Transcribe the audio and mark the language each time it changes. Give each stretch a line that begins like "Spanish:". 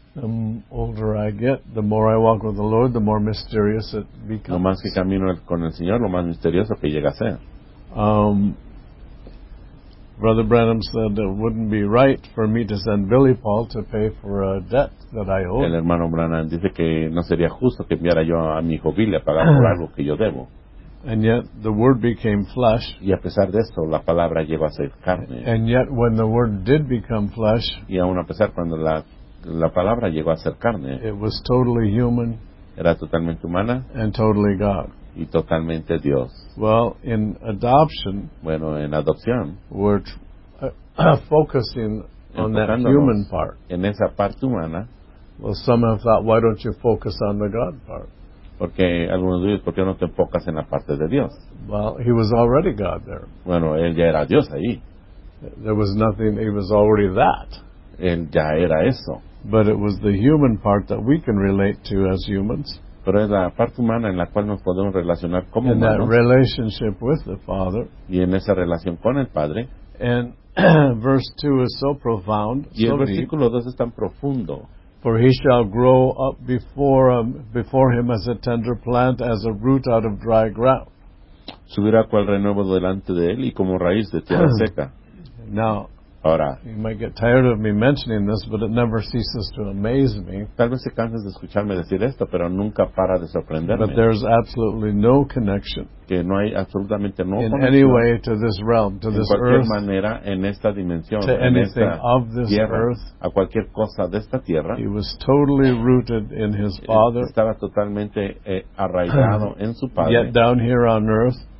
English: The older I get, the more I walk with the Lord, the more mysterious it becomes.
Spanish: Lo más que camino con el Señor, lo más misterioso que llega a ser.
English: Brother Branham said it wouldn't be right for me to send Billy Paul to pay for a debt that I owe.
Spanish: El hermano Branham dice que no sería justo que enviara yo a mi hijo Billy a pagar por algo que yo debo.
English: And yet the word became flesh.
Spanish: Y a pesar de esto, la palabra llegó a ser carne.
English: And yet when the word did become flesh.
Spanish: Y aun a pesar cuando la palabra llegó a ser carne.
English: It was totally human.
Spanish: Era totalmente humana.
English: And totally God.
Spanish: Y totalmente Dios.
English: Well, in adoption.
Spanish: Bueno, en adopción.
English: We're focusing on that human part.
Spanish: En esa parte humana.
English: Well, some have thought, why don't you focus on the God part?
Spanish: Porque algunos dicen, ¿por qué no te enfocas en la parte de Dios?
English: Well, he was already God there.
Spanish: Bueno, él ya era Dios ahí.
English: There was nothing. He was already that.
Spanish: Él ya era eso.
English: But it was the human part that we can relate to as humans.
Spanish: Pero es la parte humana en la cual nos podemos relacionar como humanos.
English: In that relationship with the Father.
Spanish: Y en esa relación con el Padre.
English: And verse 2 is so profound.
Spanish: Y el versículo 2 es tan profundo.
English: For he shall grow up before him as a tender plant, as a root out of dry ground.
Spanish: Subirá cual renuevo delante de él y como raíz de tierra seca.
English: Now.
Spanish: Ahora,
English: you might get tired of me mentioning this, but it never ceases to amaze me.
Spanish: Tal vez se canses de escucharme decir esto, pero nunca para de sorprenderme.
English: But there's absolutely no connection.
Spanish: Que no hay absolutamente no
English: in any way to this realm, to this earth.
Spanish: En cualquier manera, en esta dimensión,
English: to anything of this
Spanish: tierra,
English: earth.
Spanish: A cualquier cosa de esta tierra.
English: He was totally rooted in his Father.
Spanish: Estaba totalmente arraigado en su Padre.
English: Yet down here on earth.